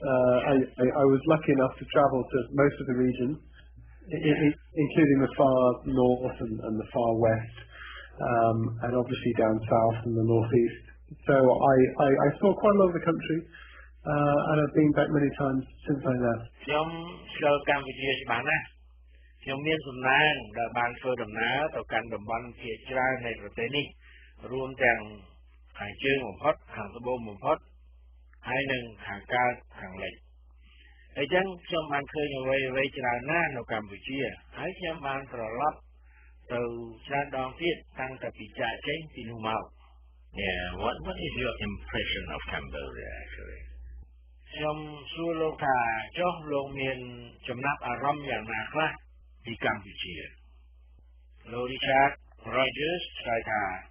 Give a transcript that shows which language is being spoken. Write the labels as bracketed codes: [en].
[en] I was lucky enough to travel to most of the region, including the far north and the far west, and obviously down south and the northeast. So I saw quite a lot of the country, and I've been back many times since I left. [km] ខ្ញុំចូលកម្ពុជាច្បាស់ណាស់ខ្ញុំមានសំណាងដែលបានធ្វើដំណើរទៅកាន់តំបន់ជាច្រើននៃប្រទេសនេះរួមទាំងខាងជើងបំផុតខាងត្បូងបំផុតហើយនិងខាងកើតខាងលិចអញ្ចឹងខ្ញុំបានឃើញអ្វីៗច្រើនណាស់នៅកម្ពុជាហើយខ្ញុំបានត្រឡប់ទៅច្រើនដងទៀតតាំងតពីចាកចេញពីនោះមក [en] Yeah, what is your impression of Cambodia actually? [km] ខ្ញុំសួរលោកថាចុះលោកមានចំណាប់អារម្មណ៍យ៉ាងណាខ្លះពីកម្ពុជាលោក Richard Rogers ថាថា